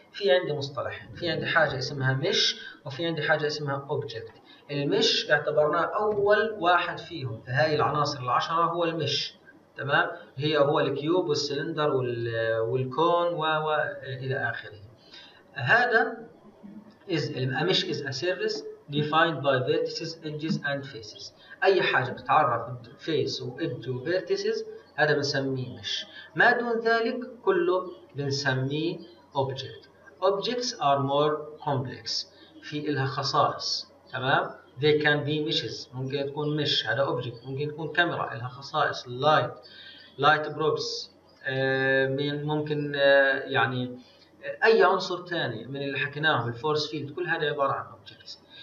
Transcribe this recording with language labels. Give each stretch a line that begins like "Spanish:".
Arabic: في عندي مصطلحين، في عندي حاجة اسمها مش، وفي عندي حاجة اسمها أوبجكت. المش اعتبرناه أول واحد فيهم، فهاي العناصر العشرة هو المش، تمام؟ هي هو الكيوب والسلندر والكون وإلى آخره. هذا مش
English: is a service defined by vertices, edges and faces.
Arabic: أي حاجة بتتعرف face و edge و vertices هذا بنسميه مش، ما دون ذلك كله بنسميه object.
English: Objects are more complex،
Arabic: في إلها خصائص، تمام؟
English: They can be meshes،
Arabic: ممكن تكون مش هذا object، ممكن تكون كاميرا إلها خصائص، light probes، ممكن يعني اي عنصر ثاني من اللي حكيناه الفورس فيلد، كل هذا عباره عن اوبجكتس.